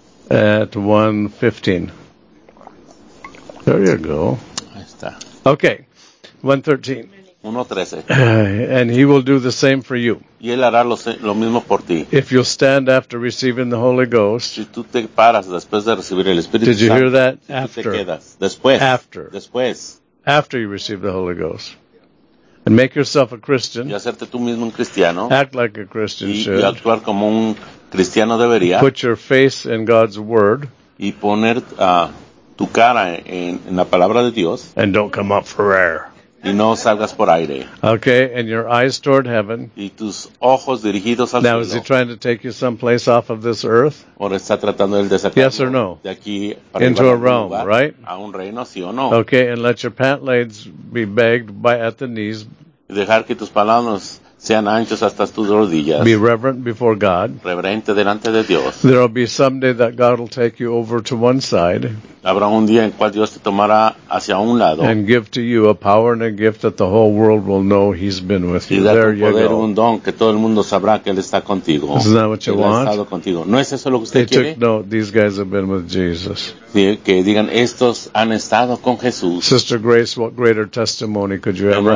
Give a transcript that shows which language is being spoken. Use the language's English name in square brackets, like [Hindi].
[English] At 1:15. There you go. [Spanish] Ahí está. [English] Okay, 113. [Spanish] 113. [English] And he will do the same for you. [Spanish] Y él hará lo mismo por ti. [English] If you'll stand after receiving the Holy Ghost. [Spanish] Si tú te paras después de recibir el Espíritu [English] Did [Spanish] Santo. [English] Did you hear that? [Spanish] Si after. Te quedas. Después. [English] After. [Spanish] Después. [English] After you receive the Holy Ghost. And make yourself a Christian. [Spanish] Y hacerte tú mismo un cristiano. [English] Act like a Christian [Spanish] should. Y actuar como un cristiano debería. [English] Put your face in God's word. [Spanish] Y poner tu cara en la palabra de Dios. [English] And don't come up for air. [Spanish] Y no salgas por aire. [English] Okay, and your eyes toward heaven. [Spanish] Y tus ojos dirigidos al [English] now, Is he trying to take you someplace off of this earth? [Spanish] ¿O está tratando él de sacarlo? [English] Yes or no? [Spanish] De aquí [English] para into a realm, [Spanish] lugar, [English] right? [Spanish] A un reino, sí o no. [English] Okay, and let your pant legs be begged by at the knees. [Spanish] Y dejar que tus palabras sean anchos hasta tus rodillas. [English] Be reverent before God. [Spanish] Reverente delante de Dios. [English] There will be someday that God will take you over to one side. [Spanish] Habrá un día en cual Dios te tomará hacia un lado. [English] And give to you a power and a gift that the whole world will know He's been with you. There [Spanish] poder, [English] you go. [Spanish] Y dará un don que todo el mundo sabrá que él está contigo. [English] Isn't that what you [Spanish] él [English] want? [Spanish] Ha estado contigo. ¿No es eso lo que usted quiere? [English] Took note. These guys have been with Jesus. [Spanish] Sí, que digan estos han estado con Jesús. [English] Sister Grace, what greater testimony could you ever